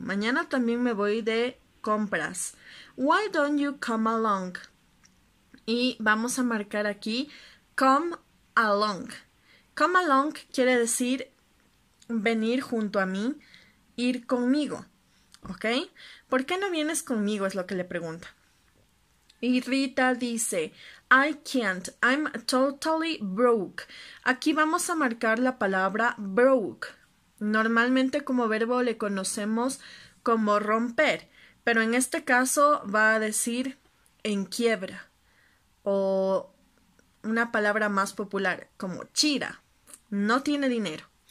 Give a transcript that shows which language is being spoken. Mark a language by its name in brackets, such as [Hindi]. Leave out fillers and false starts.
[Spanish] Mañana también me voy de compras. [English] Why don't you come along? [Spanish] Y vamos a marcar aquí, come along. Come along quiere decir venir junto a mí, ir conmigo, ¿ok? ¿Por qué no vienes conmigo? Es lo que le pregunta. Y Rita dice, [English] I can't, I'm totally broke. [Spanish] Aquí vamos a marcar la palabra broke. Normalmente como verbo le conocemos como romper, pero en este caso va a decir en quiebra, o una palabra más popular como chira, no tiene dinero.